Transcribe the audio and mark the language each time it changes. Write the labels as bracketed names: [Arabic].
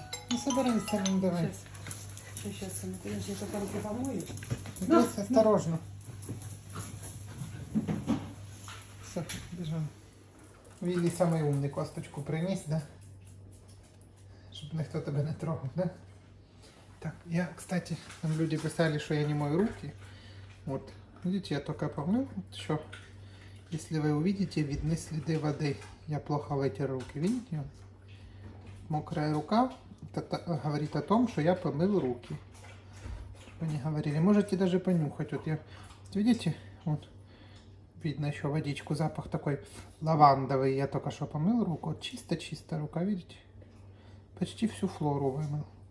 [Russian] Ну, собирай сторон, давай. Сейчас, конечно, я только руки помою. Здесь осторожно. Все, бежим. Вилли самый умный, косточку принес, да? [Ukrainian] Щоб ніхто тебе не трогав, да? Так, я, кстати, там люди писали, що я не мою руки. От, видите, я тільки помив, що, якщо ви побачите, видні сліди води. [Russian] Я плохо витер руки, видите? [Ukrainian] Мокра рука, це говорить о том, що я помив руки. Щоб вони говорили, можете навіть понюхати. От, я, видите, от, видно, що водичку, запах такий лавандовий. Я тільки що помив руку, от, чиста рука, видите? Почти всю флору вимив.